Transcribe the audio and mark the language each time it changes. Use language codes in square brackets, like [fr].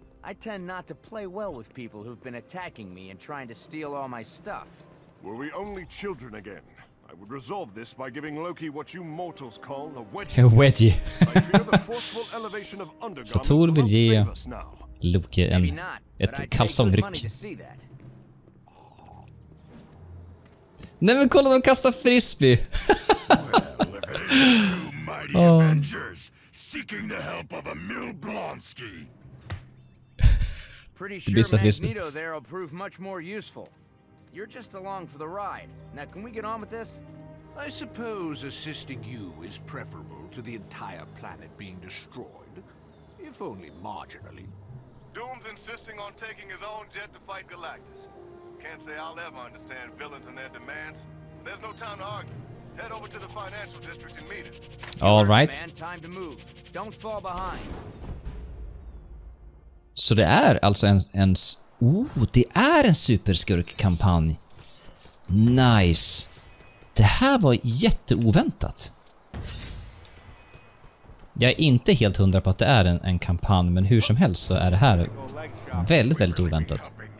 [en] I tend not to play well with people who've been attacking me and trying to steal all my stuff. Were we only children again? I would resolve this by giving Loki what you mortals call a wedgie. A wedgie. Forceful elevation of undergarments. [sv] Så Thor vill ge Loki ett kalsongryck. Nej men kolla, de kastar frisbee. [en] Avengers seeking the help of a Emil Blonsky. Pretty sure Magneto there will prove much more useful. You're just along for the ride. Now can we get on with this? I suppose assisting you is preferable to the entire planet being destroyed, if only marginally. Doom's insisting on taking his own jet to fight Galactus. Can't say I'll ever understand villains and their demands. There's no time to argue. Head over to the financial district and meet him. All right. Time to move. Don't fall behind. [sv] Så det är alltså det är en superskurkkampanj. Nice. Det här var jätteoväntat. Jag är inte helt hundra på att det är en kampanj, men hur som helst så är det här väldigt väldigt oväntat.